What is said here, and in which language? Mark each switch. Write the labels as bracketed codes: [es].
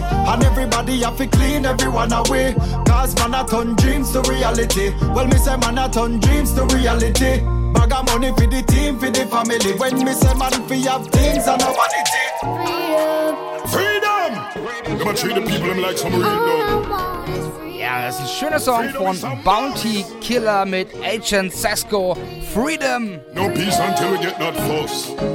[en] And everybody have to clean everyone away. Cause man a turn dreams to reality. Well, me say man a turn dreams to reality. Bag of money for the team, for the family. When me say man fi have things and a vanity. Freedom! You gonna treat the people them like some real dog. [de] Ja, das ist ein schöner Song von Bounty Killer mit Agent Sesco. [en] Freedom! No peace until we get that force.